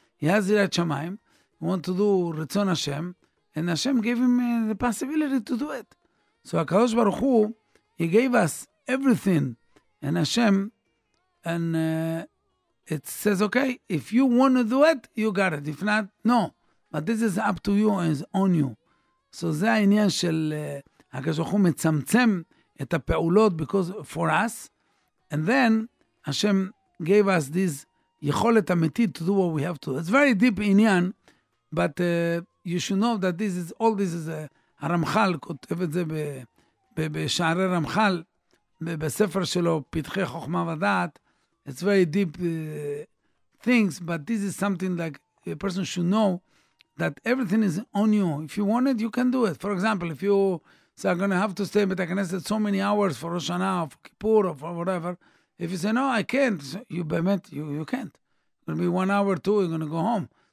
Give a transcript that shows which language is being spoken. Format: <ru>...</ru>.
<en>He has yirat shamayim. He wants to do ratzon Hashem. And Hashem gave him the possibility to do it. So HaKadosh Baruch Hu, he gave us everything. And Hashem, it says, okay, if you want to do it, you got it. If not, no. But this is up to you and it's on you. So</en> <he>זה העניין של הקשוחו מצמצם את הפעולות</he> <en>for us. And then Hashem gave us this</en> <he>יכולת אמיתית</he> <en>to do what we have to. It's very deep</en> <he>עניין,</he> <en>but you should know that this is</en> <he>all this is הרמח"ל, כותב את זה בשערי רמח"ל, בספר שלו, פתחי חוכמה ודעת.</he> <en>It's very deep things, but this is something like a person should know that everything is on you. If you want it, you can do it. For example, if you say, I'm going to have to stay in Beit HaKnesset so many hours for Rosh Hashanah or for Kippur or for whatever. If you say, no, I can't, you can't. It's going to be 1 hour, 2, you're going to go home.</en>